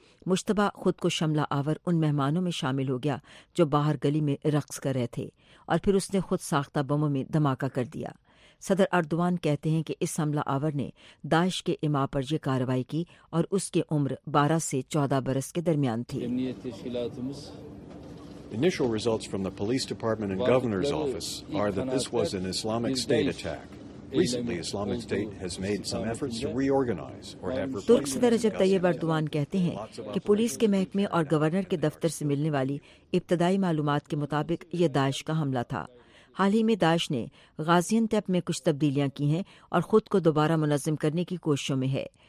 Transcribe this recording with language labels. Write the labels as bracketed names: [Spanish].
[Urdu] مشتبہ خود کو شملہ آور ان مہمانوں میں شامل ہو گیا جو باہر گلی میں رقص کر رہے تھے، اور پھر اس نے خود ساختہ بموں میں دھماکہ کر دیا. صدر اردوان کہتے ہیں کہ اس حملہ آور نے داعش کے اما پر یہ کارروائی کی اور اس کی عمر 12 سے 14 برس کے درمیان تھی. [English] Initial results from the police department and governor's office are that this was an Islamic State attack. Recently, Islamic State has made some efforts to reorganize or have replaced. [Urdu] ترک صدر رجب طیب اردوان کہتے ہیں کہ پولیس کے محکمے اور گورنر کے دفتر سے ملنے والی ابتدائی معلومات کے مطابق یہ داعش کا حملہ تھا. حال ہی میں داعش نے غازین تپ میں کچھ تبدیلیاں کی ہیں اور خود کو دوبارہ منظم کرنے کی کوششوں میں ہے.